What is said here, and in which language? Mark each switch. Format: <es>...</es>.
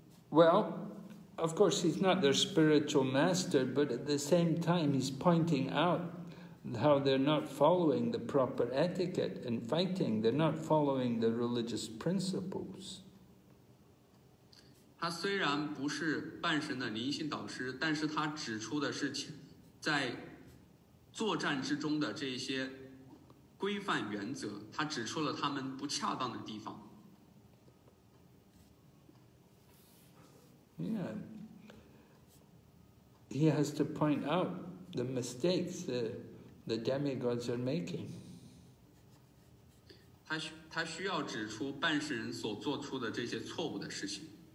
<en>Well, of course he's not their spiritual master, but at the same time he's pointing out. How they're not following the proper etiquette in fighting. They're not following the religious principles.</en> <zh>他虽然不是半神的灵性导师，但是他指出的是在作战之中的这些规范原则，他指出了他们不恰当的地方。</zh> <en>Yeah. He has to point out the mistakes that the demigods are making.</en> <zh>他需要指出半世人所做出的这些错误的事情。</zh>